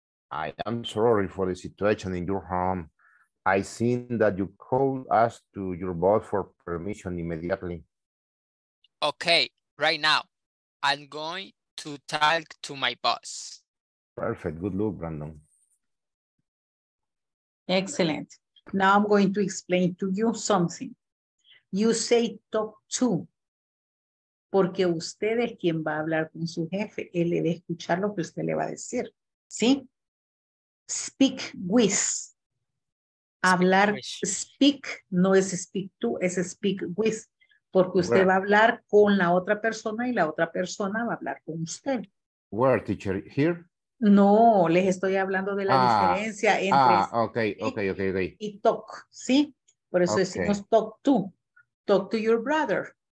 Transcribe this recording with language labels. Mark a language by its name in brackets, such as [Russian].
[English] I am sorry for the situation in your home. I seen that you called us to your boss for permission immediately. Okay, right now. I'm going to talk to my boss. Perfect. Good luck, Brandon. Excellent. Now I'm going to explain to you something. You say talk to. [Spanish] Porque usted es quien va a hablar con su jefe. Él le va a escuchar lo que usted le va a decir. ¿Sí? [English] Speak with. [Spanish] Hablar. Speak no es speak to, es speak with. Porque usted va a hablar con la otra persona y la otra persona va a hablar con usted. [English] Where, teacher? Here? [Spanish] No, les estoy hablando de la diferencia entre okay. Y talk, ¿sí? Por eso decimos talk to. [English] Talk to your brother.